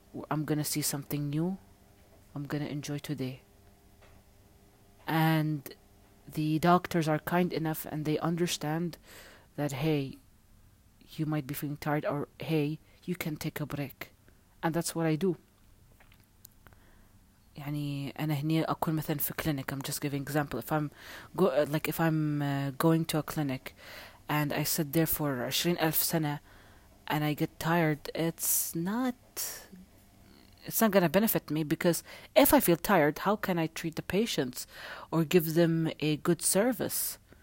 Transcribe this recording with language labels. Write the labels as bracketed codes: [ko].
[en] I'm gonna see something new. I'm gonna enjoy today. And the doctors are kind enough and they understand that, hey, you might be feeling tired, or hey, you can take a break. And that's what I do. [ar] يعني أنا هني أكون مثلا في clinic. [en] I'm just giving example. If I'm going to a clinic and I sit there for 20,000 سنة and I get tired, it's not going to benefit me, because if I feel tired, how can I treat the patients or give them a good service?